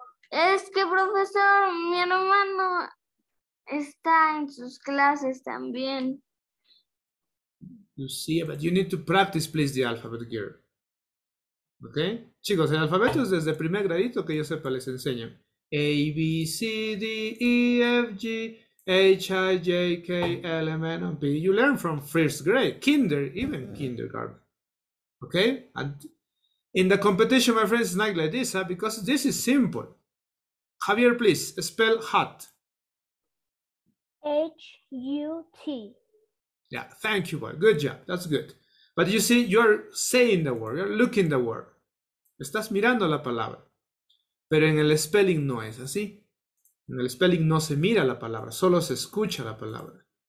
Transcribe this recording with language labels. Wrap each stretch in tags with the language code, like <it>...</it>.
<es>Es que, profesor, mi hermano está en sus clases también.</es> <en>Lucia, but you need to practice, please, the alphabet here. Okay?</en> <es>Chicos, el alfabeto es desde primer gradito que yo sepa les enseño.</es> <en>A, B, C, D, E, F, G, H, I, J, K, L, M, N, P. You learn from first grade, kinder, even kindergarten. Okay? And in the competition, my friends, it's not like this, huh? Because this is simple. Javier, please, spell hut. H-U-T. Yeah, thank you, boy. Good job. That's good. But you see, you're saying the word. You're looking the word.</en> <es>Estás mirando la palabra. Pero en el spelling no es así. En el spelling no se mira la palabra, solo se escucha la palabra.</es>